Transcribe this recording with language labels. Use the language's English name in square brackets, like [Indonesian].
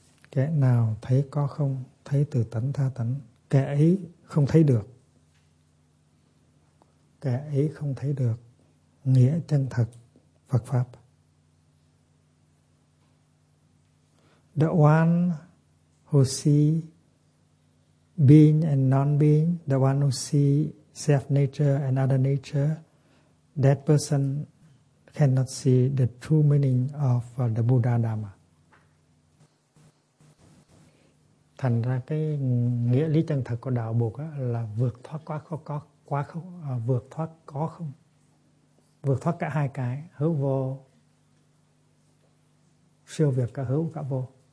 [Vietnamese] Kẻ nào thấy có không? Thấy tự tánh, tha tánh. Kẻ ấy không thấy được. Kẻ ấy không thấy được nghĩa chân thật Phật Pháp. [English] The one who see being and non-being, the one who see self-nature and other nature, that person cannot see the true meaning of the Buddha Dharma. [Vietnamese] Thành ra cái nghĩa lý chân thật của đạo Bụt là vượt thoát có không, vượt thoát cả hai cái hữu vô, siêu việt cả hữu cả vô.